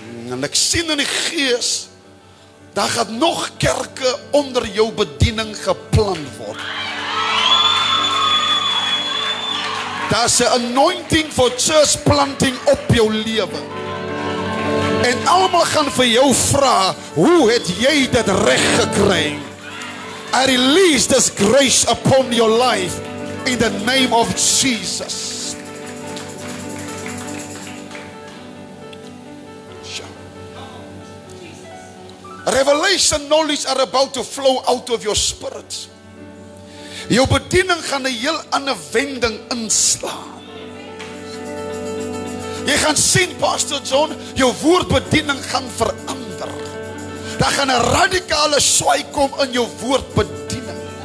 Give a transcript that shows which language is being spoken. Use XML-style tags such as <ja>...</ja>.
<af>En ek sien in die gees daar gaat nog kerke onder jou bediening geplant word. Daar is 'n anointing for church planting op jou lewe. En almal gaan vir jou vra, hoe het jy dit reg gekry?</af> <en>I release this grace upon your life in the name of Jesus. Revelation knowledge are about to flow out of your spirit.</en> <af>Jou bediening gaan 'n heel ander wending inslaan. Jy gaan sien, Pastor John, jou woordbediening gaan verander. Daar gaan 'n radikale swaai kom in jou woordbediening.</af>